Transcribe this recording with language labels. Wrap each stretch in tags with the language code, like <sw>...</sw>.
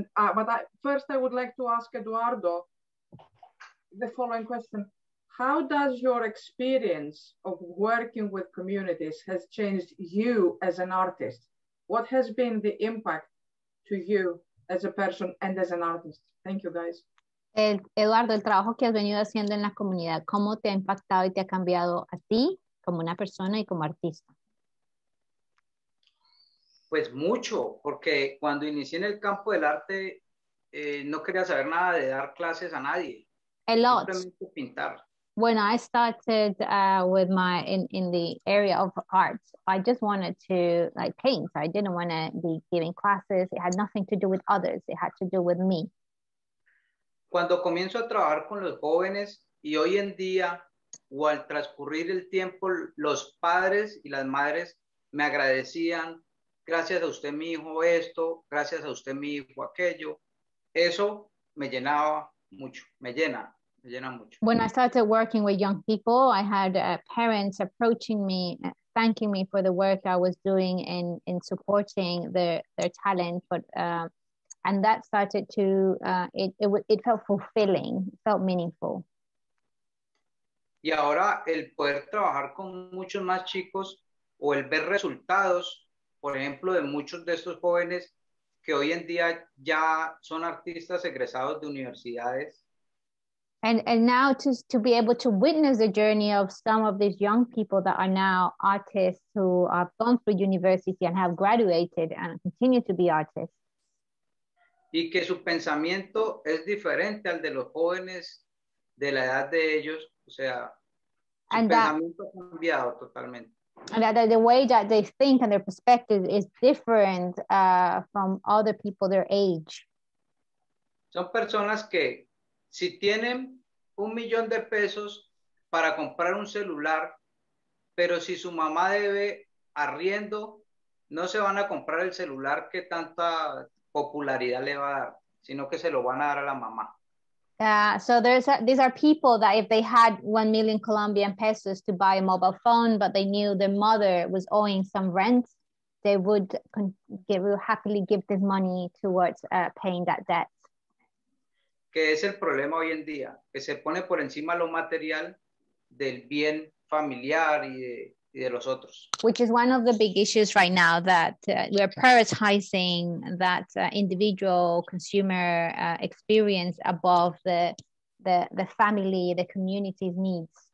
<en>But I would like to ask Eduardo the following question. How does your experience of working with communities has changed you as an artist? What has been the impact to you as a person and as an artist? Thank you, guys.</en> <es>Eduardo, el trabajo que has venido haciendo en la comunidad, ¿cómo te ha impactado y te ha cambiado a ti como una persona y como artista? Pues mucho, porque cuando inicié en el campo del arte, no quería saber nada de dar clases a nadie.</es> <en>A lot.</en> <es>Simplemente pintar.</es> <en>When I started with my in the area of art, I just wanted to like paint. I didn't want to be giving classes. It had nothing to do with others. It had to do with me.</en> <es>Cuando comienzo a trabajar con los jóvenes y hoy en día o al transcurrir el tiempo, los padres y las madres me agradecían, gracias a usted mi hijo esto, gracias a usted mi hijo aquello. Eso me llenaba mucho, me llena.</es> <en>When I started working with young people, I had parents approaching me, thanking me for the work I was doing in supporting their talent. But and that started to it felt fulfilling, felt meaningful.</en> <es>Y ahora el poder trabajar con muchos más chicos o el ver resultados, por ejemplo, de muchos de estos jóvenes que hoy en día ya son artistas egresados de universidades.</es> <en>And now to be able to witness the journey of some of these young people that are now artists who have gone through university and have graduated and continue to be artists.</en> <es>Y que su pensamiento es diferente al de los jóvenes de la edad de ellos, o sea, pensamiento ha cambiado totalmente.</es> <en>And that the way that they think and their perspective is different from other people their age.</en> <es>Son personas que si tienen un millón de pesos para comprar un celular, pero si su mamá debe arriendo, no se van a comprar el celular que tanta popularidad le va a dar, sino que se lo van a dar a la mamá.</es> <en>So there's these are people that if they had 1 million Colombian pesos to buy a mobile phone, but they knew their mother was owing some rent, they would happily give this money towards paying that debt.</en> <es>Que es el problema hoy en día, que se pone por encima lo material del bien familiar y de los otros.</es> <en>Which is one of the big issues right now, that we're prioritizing that individual consumer experience above the family, the community's needs.</en>